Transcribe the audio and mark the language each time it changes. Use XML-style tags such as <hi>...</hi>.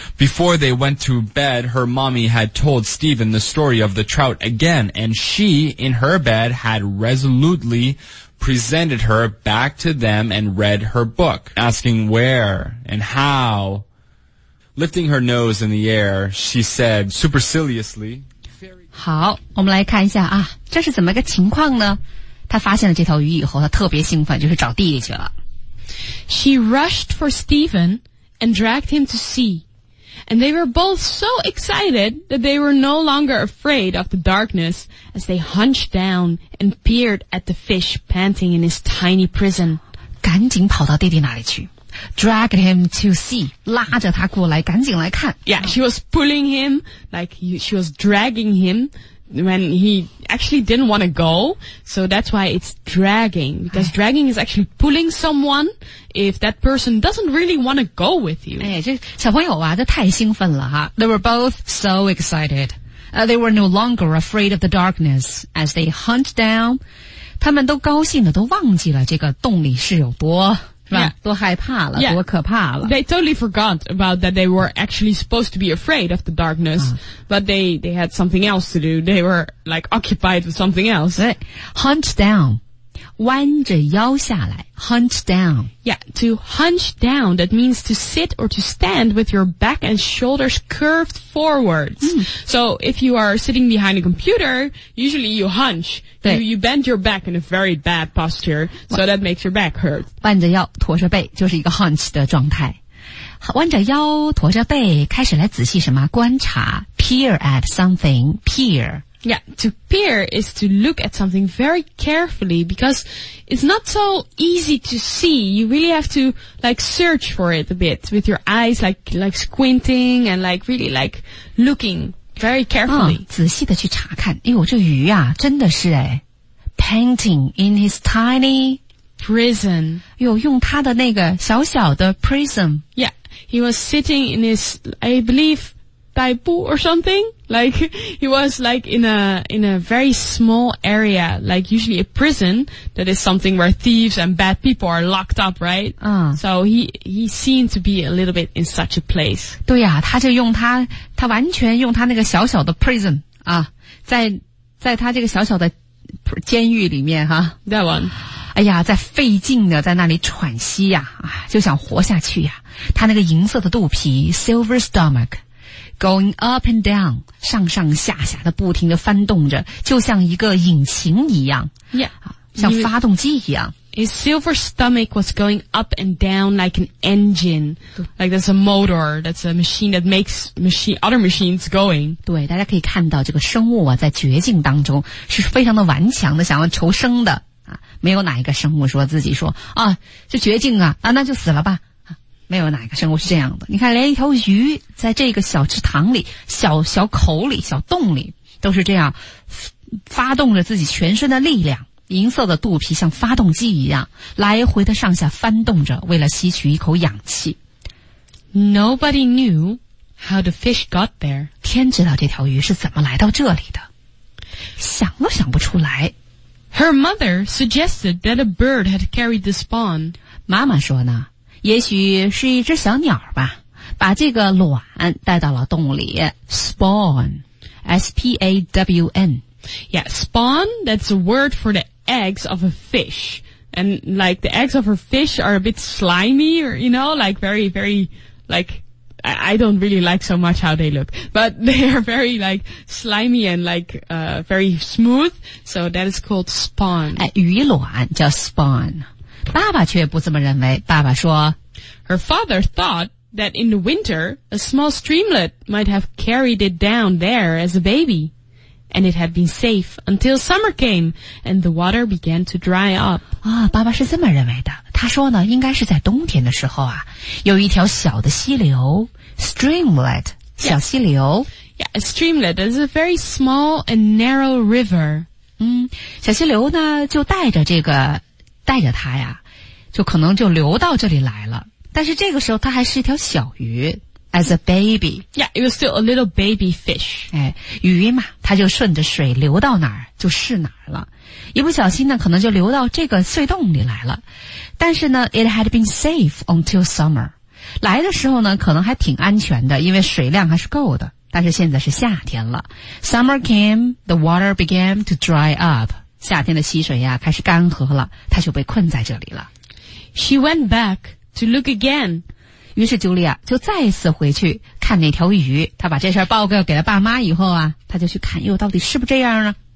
<en>Before they went to bed, her mommy had told Stephen the story of the trout again, and she, in her bed, had resolutely presented her back to them and read her book, asking where and how. Lifting her nose in the air, she said superciliously,</en> <zh>好，我们来看一下啊，这是怎么个情况呢？他发现了这条鱼以后，他特别兴奋，就是找弟弟去了。</zh> <en>She rushed for Stephen and dragged him to sea. And they were both so excited that they were no longer afraid of the darkness as they hunched down and peered at the fish panting in his tiny prison.</en> <zh>赶紧跑到弟弟那里去。</zh> <en>Dragged him to sea,</en> <zh>拉着他过来，赶紧来看。</zh> <en>Yeah, she was pulling him, like she was dragging him,when he actually didn't want to go, so that's why it's dragging, because dragging is actually pulling someone if that person doesn't really want to go with you.</en> <zh>哎，这小朋友啊，这太兴奋了哈。</zh> <en>They were both so excited. They were no longer afraid of the darkness as they hunched down.</en> <zh>他们都高兴的都忘记了这个洞里是有多</zh> <en>Yeah.</en> <zh>多害怕了</zh> <en>yeah.</en> <zh>多可怕了</zh> <en>They totally forgot about that they were actually supposed to be afraid of the darkness、But they had something else to do They were like occupied with something else Hunch down</en> <zh>弯着腰下来</zh> <en>Hunch down Yeah, to hunch down That means to sit or to stand with your back and shoulders curved forwards、So if you are sitting behind a computer Usually you hunch You bend your back in a very bad posture, so that makes your back hurt.</en> <zh>弯着腰，驼着背，就是一个 hunch 的状态。弯着腰，驼着背，开始来仔细什么？观察</zh> <en>，peer at something, peer. Yeah, to peer is to look at something very carefully, because it's not so easy to see. You really have to, like, search for it a bit, with your eyes, like squinting, and like, really, like, looking. Very carefully.、</en> <zh>仔细地去查看。哎呦，这鱼啊，真的是哎 ,</zh> <en>painting in his tiny prison.</en> <zh>呦，用他的那个小小的 prison.</zh> <en>Yeah, he was sitting in his, I believe,</en> <zh>逮捕</zh> <en>or something. Like, he was like in a very small area, like usually a prison that is something where thieves and bad people are locked up, right?、So he seemed to be a little bit in such a place.</en> <zh>对呀、他就用他他完全用他那个小小的 prison, 啊在他这个小小的监狱里面哈。</zh> <en>That one.</en> <zh>哎呀在费劲的在那里喘息呀、就想活下去呀。他那个银色的肚皮 ,</zh> <en>silver stomach, going up and down,</en> <zh>上上下下的不停的翻动着就像一个引擎一样。</zh> <en>Yeah.、</en> <zh>像发动机一样。</zh> <en>His silver stomach was going up and down like an engine. Like that's a motor. That's a machine that makes other machines going.</en> <zh>对大家可以看到这个生物啊在绝境当中是非常的顽强的想要求生的。啊没有哪一个生物说自己说啊这绝境啊啊那就死了吧。啊没有哪一个生物是这样的。你看连一条鱼在这个小池塘里小小口里小洞里都是这样发动着自己全身的力量。银色的肚皮像发动机一样来回的上下翻动着为了吸取一口氧气</zh> <en>Nobody knew how the fish got there</en> <zh>天知道这条鱼是怎么来到这里的想都想不出来</zh> <en>Her mother suggested that a bird had carried the spawn</en> <zh>妈妈说呢也许是一只小鸟吧把这个卵带到了洞里。Spawn, S-P-A-W-N.</zh> <en>Yeah, spawn, that's a word for the eggs of a fish. And like the eggs of a fish are a bit slimy, or, you know, like very, very, like... I don't really like so much how they look, but they are very like slimy and like, very smooth. So that is called spawn.</en> <zh>鱼卵叫 spawn. 爸爸却不这么认为。爸爸说</zh> <en>Her father thought that in the winter, a small streamlet might have carried it down there as a baby. And it had been safe until summer came and the water began to dry up.</en> <zh>啊、哦、爸爸是这么认为的。他说呢应该是在冬天的时候啊有一条小的溪流 streamlet, 小溪流。</zh> <en>Yeah, a streamlet is a very small and narrow river.</en> <zh>嗯小溪流呢就带着这个带着它呀就可能就流到这里来了。但是这个时候它还是一条小鱼</zh> <en>as a baby. Yeah, it was still a little baby fish.</en> <zh>哎鱼嘛它就顺着水流到哪儿就是哪儿了。一不小心呢可能就流到这个隧洞里来了。但是呢</zh> <en>it had been safe until summer.</en> <zh>来的时候呢可能还挺安全的因为水量还是够的。但是现在是夏天了。</zh> <en>Summer came, the water began to dry up.</en> <zh>夏天的溪水呀开始干涸了它就被困在这里了。</zh> <en>She went back to look again.</en> <zh>于是朱莉亚就再一次回去看那条鱼。她把这事报告给了爸妈以后啊她就去看又到底是不是这样呢</zh>